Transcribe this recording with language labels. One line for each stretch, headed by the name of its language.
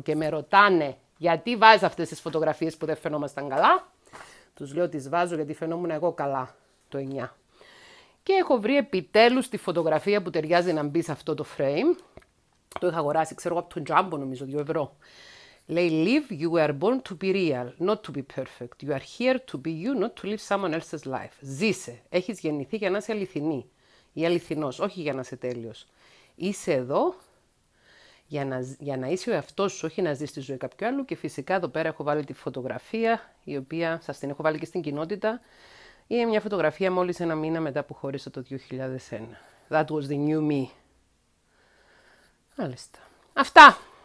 Greek: Και με ρωτάνε γιατί βάζω αυτές τις φωτογραφίες που δεν φαινόμασταν καλά. Τους λέω τις βάζω γιατί φαινόμουν εγώ καλά το 9. Και έχω βρει επιτέλους τη φωτογραφία που ταιριάζει να μπει σε αυτό το frame. Το είχα αγοράσει, ξέρω εγώ από τον Τζάμπο νομίζω, 2 ευρώ.
English: Λέει, live, you were born to be real, not to be perfect. You are here to be you, not to live someone else's life.
Greek: Ζήσε. Έχεις γεννηθεί για να είσαι αληθινή ή αληθινός, όχι για να είσαι τέλειος. Είσαι εδώ για να είσαι ο εαυτός σου, όχι να ζεις τη ζωή κάποιου άλλου. Και φυσικά εδώ πέρα έχω βάλει τη φωτογραφία, η οποία σας την έχω βάλει και στην κοινότητα. Είναι μια φωτογραφία μόλις ένα μήνα μετά που χωρίσα το 2001.
English: That was the new me.
Greek: Άλιστα. Αυτά.